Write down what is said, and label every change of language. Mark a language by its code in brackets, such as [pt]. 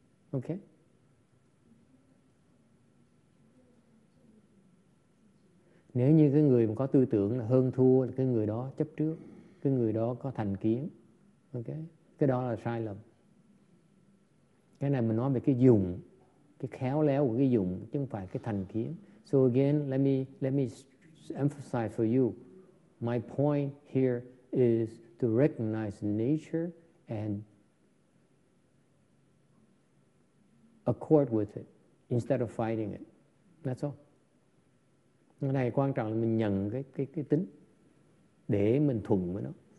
[vi] Ok, nếu như cái người mà có tư tưởng là hơn thua là cái người đó chấp trước, cái người đó có thành kiến, ok, cái đó là sai lầm. Cái này mình nói về cái dùng, cái khéo léo của cái dùng, chứ không phải cái thành kiến. [en] So again, let me emphasize for you. My point here is to recognize nature and accord with it instead of fighting it. That's all. [vi] Cái này quan trọng là mình nhận cái tính để mình thuận với nó.